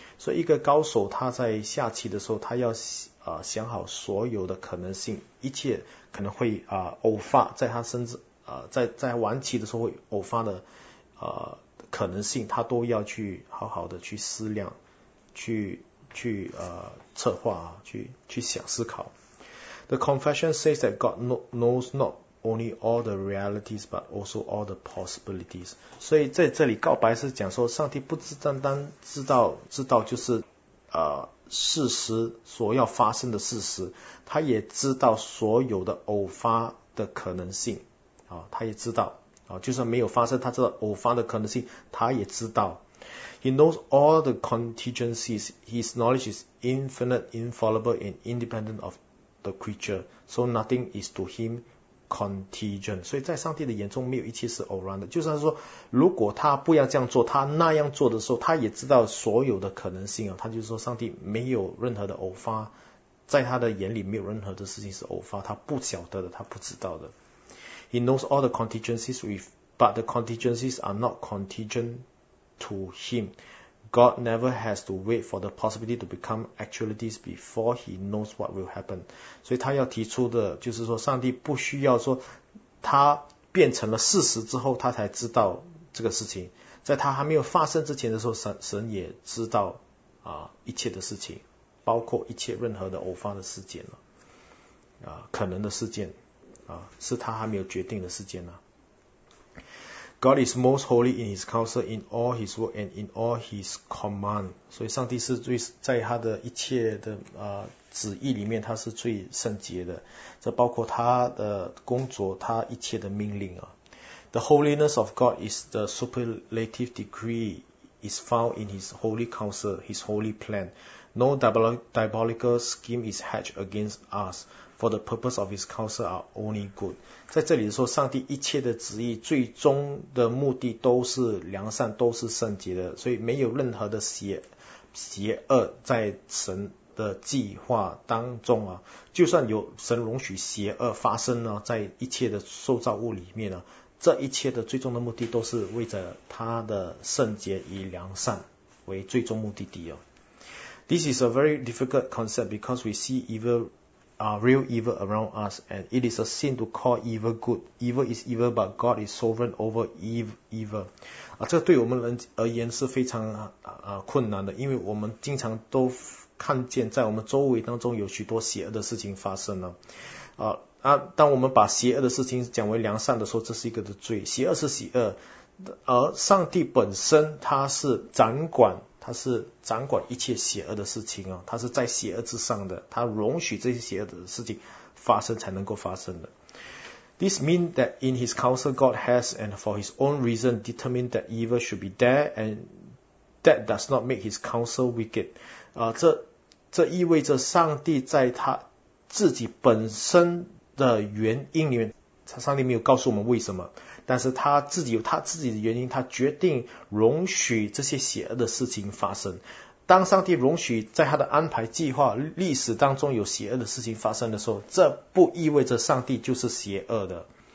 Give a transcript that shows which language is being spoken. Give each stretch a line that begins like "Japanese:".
Chinese: 所以一个高手他在下棋的时候，他要想好所有的可能性，一切可能会偶发在他身子在玩棋的时候会偶发的可能性，他都要去好好的去思量，去策划，去想思考。
English: The confession says that God knows not only all the realities, but also all the possibilities.
Chinese: 所以在这里告白是讲说，上帝不只单单知道就是事实所要发生的事实，他也知道所有的偶发的可能性啊，他也知道啊，就算没有发生，他知道偶发的可能性，他也知道。
English: He knows all the contingencies. His knowledge is infinite, infallible, and independent of the creature. So nothing is to him contingent.
Chinese: 所以在上帝的眼中，没有一切是偶然的。就算是说，如果他不要这样做，他那样做的时候，他也知道所有的可能性啊。他就是说，上帝没有任何的偶发，在他的眼里没有任何的事情是偶发，他不晓得的，他不知道的。
English: He knows all the contingencies, but the contingencies are not contingent. To him, God never has to wait for the possibility to become actualities before he knows what will happen.
Chinese: 所以他要提出的就是说，上帝不需要说他变成了事实之后他才知道这个事情，在他还没有发生之前的时候，神也知道一切的事情，包括一切任何的偶发的事件了。可能的事件啊，是他还没有决定的事件呢、啊。
English: God is most holy in His counsel, in all His work, and in all His command.
Chinese: 所以上帝是最在他的一切的旨意里面，他是最圣洁的。这包括他的工作，他一切的命令啊。
English: The holiness of God is the superlative degree is found in His holy counsel, His holy plan. No diabolical scheme is hatched against us. For the purpose of His counsel are only good.
Chinese: 在这里说，上帝一切的旨意最终的目的都是良善，都是圣洁的，所以没有任何的邪恶在神的计划当中啊。就算有神容许邪恶发生了、啊、在一切的受造物里面呢、啊，这一切的最终的目的都是为着他的圣洁与良善为最终目的地哦。
English: This is a very difficult concept because we see real evil around us, and it is a sin to call evil good. Evil is evil, but God is sovereign over evil.
Chinese: 啊，这个对我们人而言是非常困难的，因为我们经常都看见在我们周围当中有许多邪恶的事情发生了。当我们把邪恶的事情讲为良善的时候，这是一个的罪。邪恶是邪恶，而上帝本身他是掌管一切邪恶的事情啊，他是在邪恶之上的，他容许这些邪恶的事情发生才能够发生的。
English: This means that in His counsel, God has and for His own reason determined that evil should be there, and that does not make His counsel wicked.
Chinese: 这意味着上帝在他自己本身的原因里面，上帝没有告诉我们为什么。但是他自己有他自己的原因，他决定容许这些邪恶的事情发生。当上帝容许在他的安排计划历史当中有邪恶的事情发生的时候，这不意味着上帝就是邪恶的。